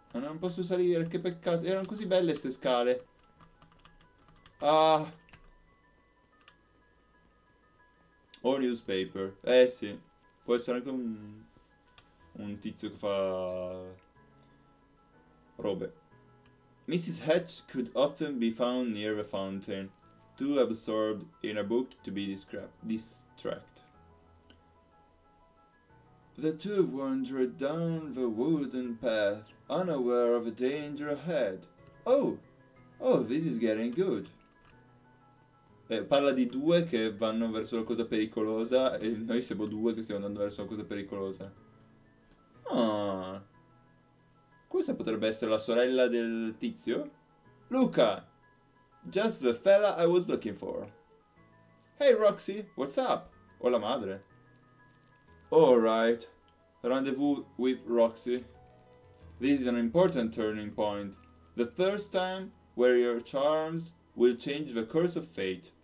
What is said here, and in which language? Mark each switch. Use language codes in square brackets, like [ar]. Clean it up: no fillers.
[it] Ma non posso salire, che peccato. Erano così belle ste scale. Ah. O newspaper. Eh sì. Può essere anche un tizio che fa robe. [en] Mrs. Hatch could often be found near the fountain, too absorbed in a book to be distracted. The two wandered down the wooden path, unaware of the danger ahead. Oh, this is getting good. [it] Parla di due che vanno verso la cosa pericolosa e noi siamo due che stiamo andando verso la cosa pericolosa. Ah, questa potrebbe essere la sorella del tizio. [en] Luca, just the fella I was looking for. Hey Roxy, what's up? [it] O la madre. [en] Alright, rendezvous with Roxy. This is an important turning point. The first time where your charms will change the course of fate.